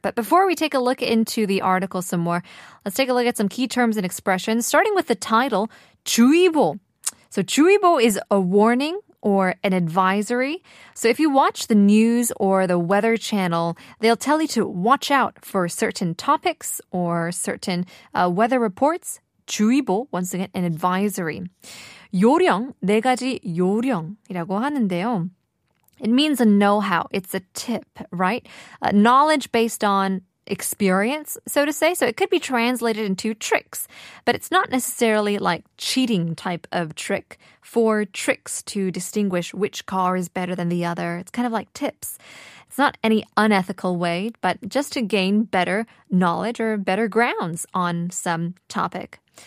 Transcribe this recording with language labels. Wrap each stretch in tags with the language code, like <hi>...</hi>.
<en>But before we take a look into the article some more, let's take a look at some key terms and expressions, starting with the title, 주의보. So 주의보 is a warning or an advisory. So if you watch the news or the weather channel, they'll tell you to watch out for certain topics or certain weather reports. 주의보, once again, an advisory.</en> <ko>요령, 네 가지 요령이라고 하는데요.</ko> <en>It means a know-how. It's a tip, right? Knowledge based on experience, so to say. So it could be translated into tricks, but it's not necessarily like cheating type of trick. Four tricks to distinguish which car is better than the other. It's kind of like tips. It's not any unethical way, but just to gain better knowledge or better grounds on some topic.</en>